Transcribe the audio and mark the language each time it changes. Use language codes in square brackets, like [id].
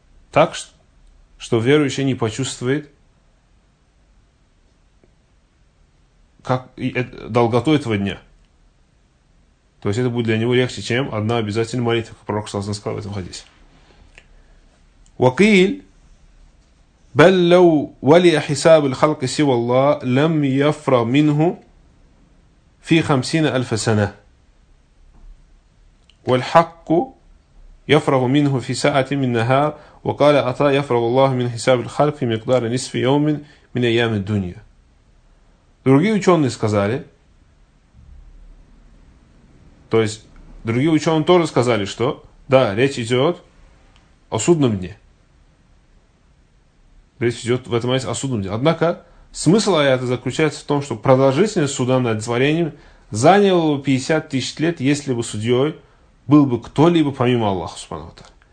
[ru] Так, что верующий не почувствует как долготу этого дня. То есть, это будет для него легче, чем одна обязательная молитва, как пророк Саллаллаху алейхи ва саллям сказал в этом хадисе. Вакиль. [ar] بل لو ولي حساب الخلق سوى الله لم يفر منه في 50,000 سنة والحق يفرغ منه في ساعة من النهار وقال عطاء يفرغ الله من حساب الخلق في مقدار نصف يوم من أيام الدنيا. [ru] Другие ученые сказали, то есть другие ученые тоже сказали, что да, речь идет о судном дне. Речь идет в этом аяте о судном дне. Однако смысл аята заключается в том, что продолжительность суда над творением заняла бы 50 тысяч лет, если бы судьей был бы кто-либо помимо Аллаха Субхана ва Тааля.